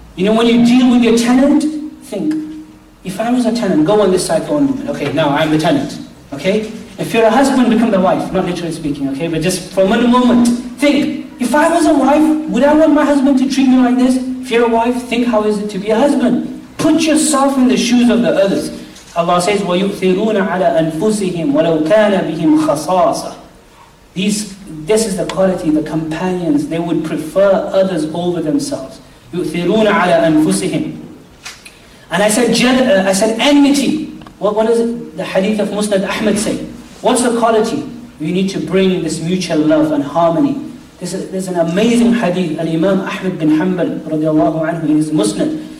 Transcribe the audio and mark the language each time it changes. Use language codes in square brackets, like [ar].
[en] You know, when you deal with your tenant, think. If I was a tenant, go on this side for one moment. Okay, now I'm the tenant. Okay? If you're a husband, become the wife. Not literally speaking, okay? But just for one moment, think. If I was a wife, would I want my husband to treat me like this? If you're a wife, think how is it to be a husband. Put yourself in the shoes of the others. Allah says, [ar] وَيُؤْثِرُونَ عَلَىٰ أَنفُسِهِمْ وَلَوْ كَانَ بِهِمْ خَصَاصَةً. [en] This is the quality, the companions. They would prefer others over themselves. [ar] يُؤْثِرُونَ عَلَىٰ أَنفُسِهِمْ. [en] And I said enmity. What does the hadith of Musnad Ahmad say? What's the quality? You need to bring this mutual love and harmony. There's an amazing hadith, Al-Imam Ahmad bin Hanbal, radiallahu anhu, in his Musnad.